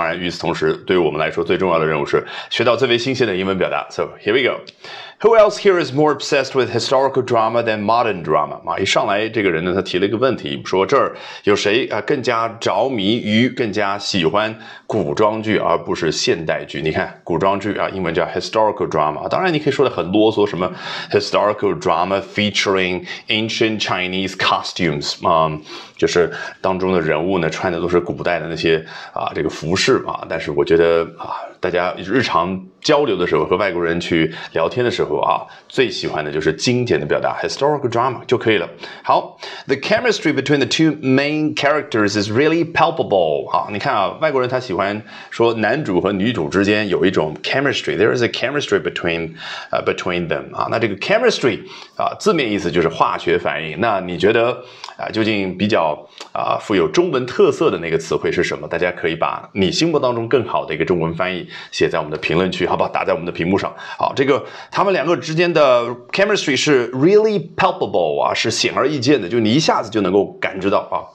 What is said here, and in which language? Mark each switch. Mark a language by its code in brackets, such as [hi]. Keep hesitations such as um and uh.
[zh] 此同时，对于我们来说，最重要的任务是学到最为新鲜的英文表达。 [en] So here we go. Who else here is more obsessed with historical drama than modern drama？ [zh] 啊，一上来这个人呢，他提了一个问题，说这儿有谁啊更加着迷于、更加喜欢古装剧而不是现代剧？你看，古装剧啊，英文叫 historical drama。当然，你可以说的很啰嗦，什么 [en] historical drama featuring ancient Chinese costumes。 [zh] 啊，就是当中的人物呢，穿的都是古代的那些啊这个服饰啊。但是我觉得啊，大家日常交流的时候和外国人去聊天的时候啊，最喜欢的就是经典的表达 “historic a l drama” 就可以了。 [en] 好，the chemistry between the two main characters is really palpable。 [zh] 啊，你看啊，外国人他喜欢说男主和女主之间有一种 chemistry。 [en] There is a chemistry between，呃，between them。 [zh] 啊，那这个 chemistry 啊，字面意思就是化学反应。那你觉得啊，究竟比较啊富有中文特色的那个词汇是什么？大家可以把你心目当当中更好的一个中文翻译写在我们的评论区，好不好？打在我们的屏幕上。好，这个他们两个之间的 chemistry 是 really palpable 啊，是显而易见的，就你一下子就能够感知到啊。